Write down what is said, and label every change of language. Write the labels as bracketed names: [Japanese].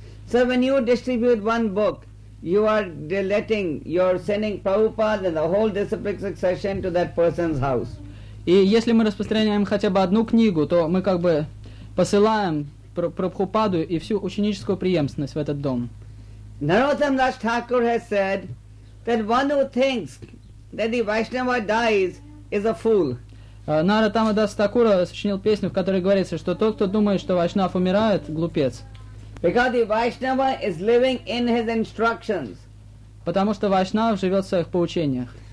[English] So when you distribute one book, you are letting, you are sending Prabhupada and the whole disciplic succession to that person's house. [Russian] И если мы распространяем хотя бы одну книгу, то мы как бы посылаем Прабхупаду и всю ученическую преемственность в этот дом. [English] Narottam Das Thakur has said that one who thinks that the Vaishnava dies is a fool. [Russian] Наратама Дас Такура сочинил песню, в которой говорится, что тот, кто думает, что Вайшнав умирает, глупец. [English] Because the Vaishnava is living in his instructions. [Russian] Потому что Вайшнав живет в своих поучениях.